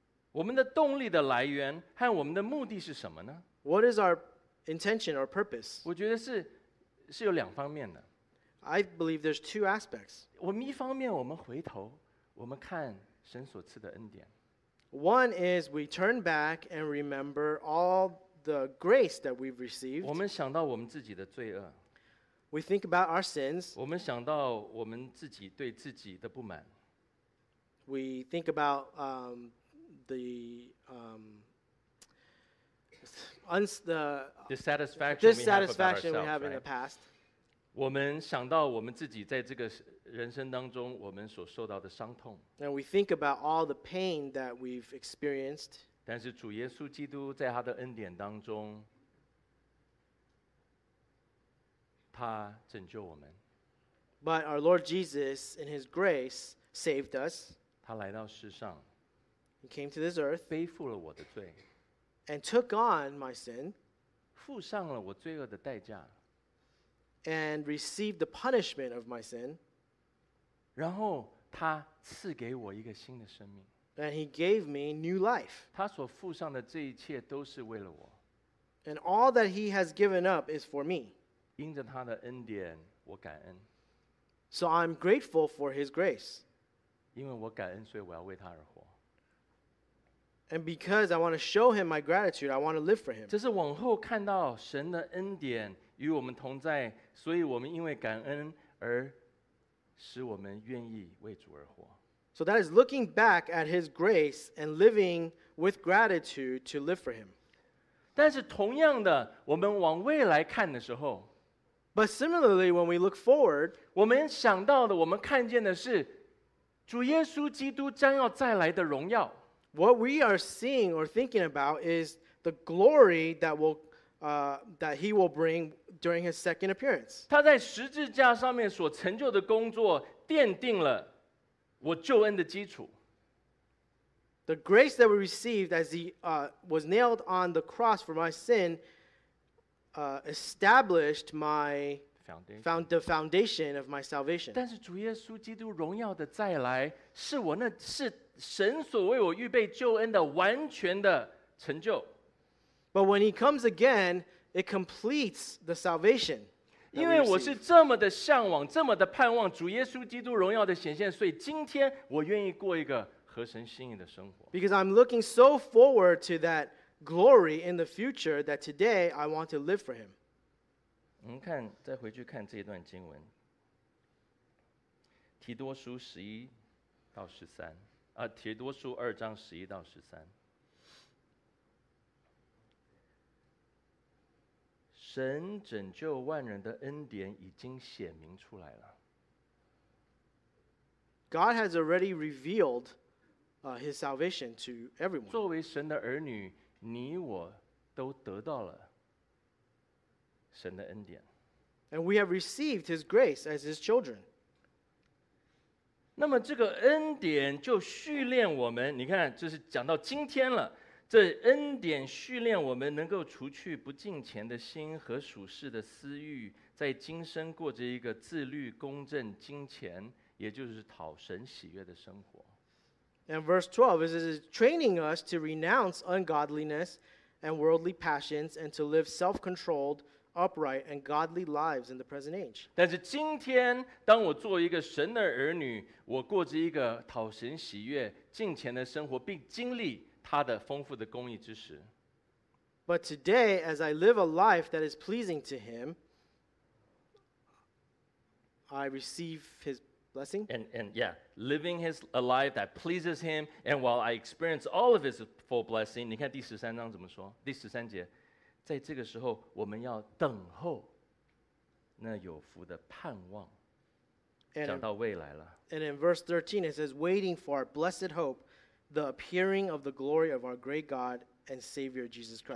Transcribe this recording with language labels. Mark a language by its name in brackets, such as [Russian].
[Chinese] 我们的动力的来源和我们的目的是什么呢？ [English] What is our intention or purpose? [Chinese] 我觉得是有两方面的。 [English] I believe there's two aspects. [Chinese] 我们一方面我们回头我们看神所赐的恩典。 [English] One is we turn back and remember all the grace that we've received. [Chinese] 我们想到我们自己的罪恶。 [English] We think about our sins. [Chinese] 我们想到我们自己对自己的不满。 [English] We think about the dissatisfaction we have in the past. [Chinese] 我们想到我们自己在这个人生当中我们所受到的伤痛。 [English] And we think about all the pain that we've experienced. [Chinese] 但是主耶稣基督在他的恩典当中，他拯救我们。 [English] But our Lord Jesus, in his grace, saved us. [Chinese] 他来到世上。 [English] He came to this earth. [Chinese] 背负了我的罪。 [English] And took on my sin. [Chinese] 付上了我罪恶的代价。 [English] And received the punishment of my sin. [Chinese] 然后他赐给我一个新的生命。 [English] And he gave me new life. [Chinese] 他所付上的这一切都是为了我。 [English] And all that he has given up is for me. [Chinese] 因着他的恩典，我感恩。 [English] So I'm grateful for his grace. [Chinese] 因为我感恩，所以我要为他而活。 [English] And because I want to show him my gratitude, I want to live for him. [Chinese] 这是往后看到神的恩典与我们同在，所以我们因为感恩而使我们愿意为主而活。 [English] So that is looking back at his grace and living with gratitude to live for him. [Chinese] 但是同样的，我们往未来看的时候， [English] But similarly, when we look forward, [Chinese] 我们想到的，我们看见的是主耶稣基督将要再来的荣耀。 [English] What we are seeing or thinking about is the glory that will, that he will bring during his second appearance. [Chinese] 他在十字架上面所成就的工作奠定了我救恩的基础。 [English] The grace that we received as he was nailed on the cross for my sin established my foundation of my salvation. [Chinese] 但是主耶稣基督荣耀的再来是我那是神所为我预备救恩的完全的成就。 [English] But when he comes again, it completes the salvation. [Chinese] 因为我是这么的向往，这么的盼望主耶稣基督荣耀的显现，所以今天我愿意过一个合神心意的生活。 [English] Because I'm looking so forward to that glory in the future that today I want to live for him. [Chinese] 我们看，再回去看这一段经文，提多书十一到十三。提多书二章十一到十三，神拯救万人的恩典已经显明出来了。 [English] God has already revealed his salvation to everyone. [Chinese] 作为神的儿女，你我都得到了神的恩典。 [English] And we have received his grace as his children. [Chinese] 那么这个恩典就训练我们，你看，这是讲到今天了。这恩典训练我们能够除去不敬虔的心和属世的私欲，在今生过着一个自律、公正、敬虔，也就是讨神喜悦的生活。 [English] And verse 12 is training us to renounce ungodliness and worldly passions and to live self-controlled. Upright and godly lives in the present age. [Chinese] 但是今天，当我作为一个神的儿女，我过着一个讨神喜悦、敬虔的生活，并经历他的丰富的公义之时。 [English] But today, as I live a life that is pleasing to Him, I receive His blessing. Living His a life that pleases Him, and while I experience all of His full blessing, [Chinese] 你看第十三章怎么说？第十三节。在这个时候，我们要等候那有福的盼望。讲到未来了。 [English] And in verse 13, it says, "Waiting for our blessed hope, the appearing of the glory of our great God and Savior Jesus Christ."